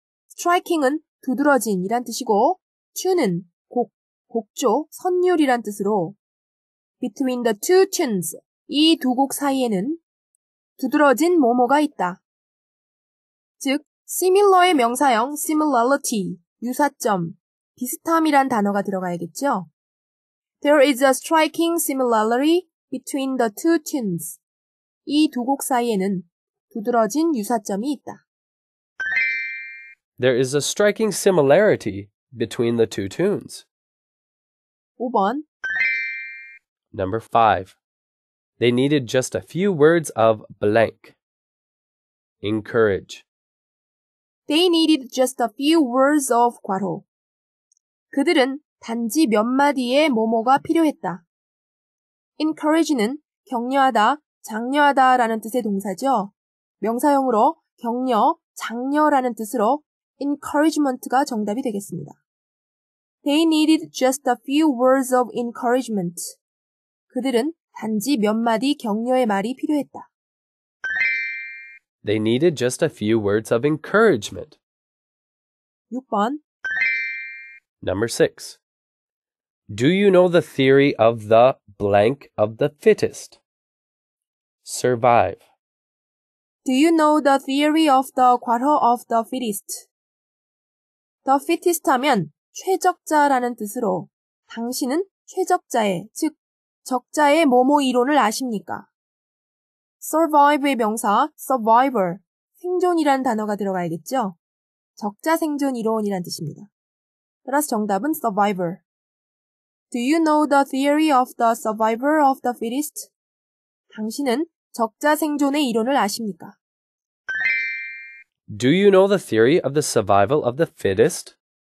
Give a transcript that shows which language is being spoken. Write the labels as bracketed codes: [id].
[ko] Striking은 두드러진이란 뜻이고 tune은 곡, 곡조, 선율이란 뜻으로 [en] between the two tunes [ko] 이 두 곡 사이에는 두드러진 뭐뭐가 있다. 즉, similar의 명사형 similarity, 유사점, 비슷함이란 단어가 들어가야겠죠? [en] There is a striking similarity between the two tunes. [ko] 이 두 곡 사이에는 두드러진 유사점이 있다. [en] There is a striking similarity between the two tunes? [ko] 5번. [en] Number 5. They needed just a few words of blank. Encourage. They needed just a few words of 괄호. [ko] 그들은 단지 몇 마디의 뭐뭐가 필요했다. Encourage는 격려하다, 장려하다 라는 뜻의 동사죠. 명사형으로 격려, 장려라는 뜻으로 encouragement가 정답이 되겠습니다. [en] They needed just a few words of encouragement. [ko] 그들은 단지 몇 마디 격려의 말이 필요했다. [en] They needed just a few words of encouragement. [ko] 6번. [en] Number 6. Do you know the theory of the blank of the fittest? Survive. Do you know the theory of the 괄호 of the fittest? [ko] The fittest 하면 최적자라는 뜻으로 당신은 최적자의, 즉 적자의 뭐뭐 이론을 아십니까? Survive의 명사 survivor, 생존이라는 단어가 들어가야겠죠? 적자 생존 이론이란 뜻입니다. 따라서 정답은 survivor. [en] Do you know the theory of the survivor of the fittest? [ko] 당신은 적자 생존의 이론을 아십니까? [en] Do you know the theory of the survival of the fittest?